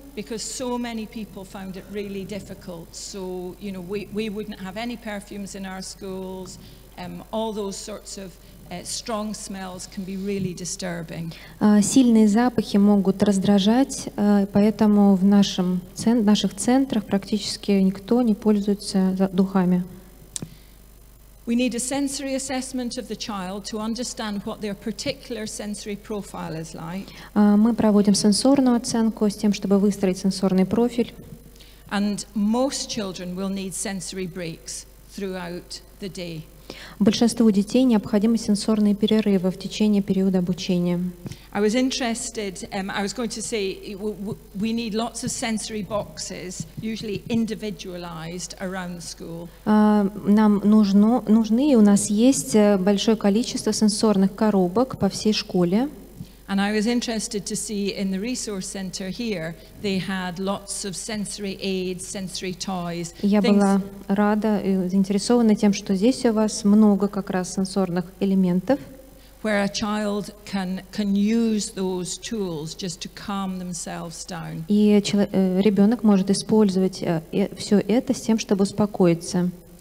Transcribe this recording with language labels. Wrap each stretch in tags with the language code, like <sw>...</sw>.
<en>Because so many people found it really difficult. So, you know, we wouldn't have any perfumes in our schools. All those sorts of strong smells can be really disturbing.</en> <ru>Сильные запахи могут раздражать, поэтому в наших центрах практически никто не пользуется духами.</ru> <en>We need a sensory assessment of the child to understand what their particular sensory profile is like.</en> <ru>Мы проводим сенсорную оценку с тем, чтобы выстроить сенсорный профиль.</ru> <en>And most children will need sensory breaks throughout the day.</en> <ru>Большинству детей необходимы сенсорные перерывы в течение периода обучения.</ru> <en>I was interested, I was going to say, we need lots of sensory boxes, usually individualized around the school.</en> <ru>Нам нужны, и у нас есть большое количество сенсорных коробок по всей школе.</ru> <en>And I was interested to see in the resource center here they had lots of sensory aids, sensory toys.</en> <ru>Я была рада и заинтересована тем, что здесь у вас много как раз сенсорных элементов.</ru> <en>Where a child can use those tools just to calm themselves down.</en> <ru>И ребенок может использовать все это с тем, чтобы успокоиться.</ru>